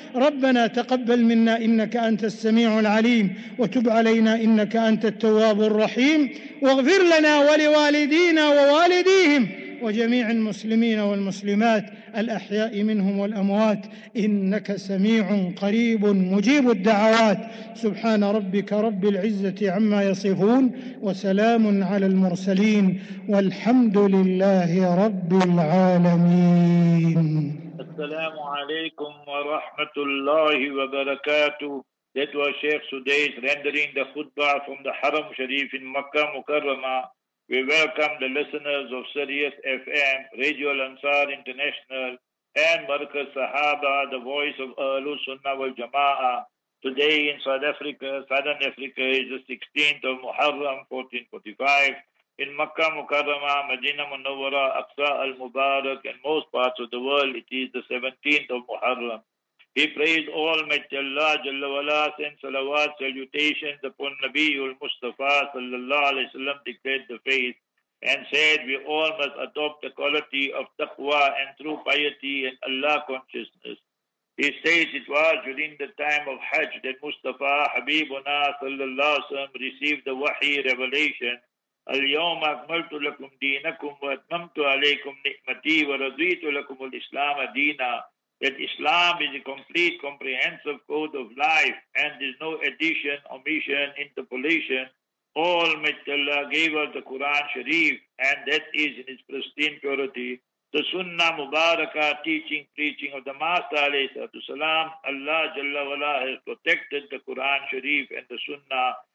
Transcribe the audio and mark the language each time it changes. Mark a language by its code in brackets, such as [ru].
[ar] ربنا تقبل منا إنك أنت السميع العليم، وتب علينا إنك أنت التواب الرحيم، واغفر لنا ولوالدينا ووالديهم وجميع المسلمين والمسلمات الأحياء منهم والأموات، إنك سميع قريب مجيب الدعوات. سبحان ربك رب العزة عما يصفون، وسلام على المرسلين، والحمد لله رب العالمين. السلام عليكم ورحمة الله وبركاته. [en] That was Sheikh Sudais rendering the khutbah from the Haram Sharif in Makkah Mukarrama. We welcome the listeners of Sirius FM, Radio Al-Ansar International, and Markaz Sahaba, the voice of Ahlus Sunnah wal Jama'ah. Today in South Africa, Southern Africa, is the 16th of Muharram, 1445. In Makkah Mukarrama, Madina Munawwara, Aqsa Al-Mubarak, and most parts of the world, it is the 17th of Muharram. We praise Almighty Allah Jalla Wala, send salawat, salutations upon Nabiul Mustafa Sallallahu Alaihi Wasallam, declared the faith, and said we all must adopt the quality of taqwa and true piety and Allah consciousness. He says it was during the time of Hajj that Mustafa Habibuna Sallallahu Alaihi Wasallam received the wahi revelation. [ar] اليوم أكملت لكم دينكم وأتممت عليكم نعمتي ورضيت لكم الإسلام دينا. [en] That Islam is a complete comprehensive code of life and there is no addition, omission, interpolation. All Allah gave us the Quran Sharif and that is in its pristine purity. The Sunnah Mubarakah, teaching, preaching of the Master alayhi salatu salam, Allah Jalla Wala has protected the Quran Sharif and the Sunnah.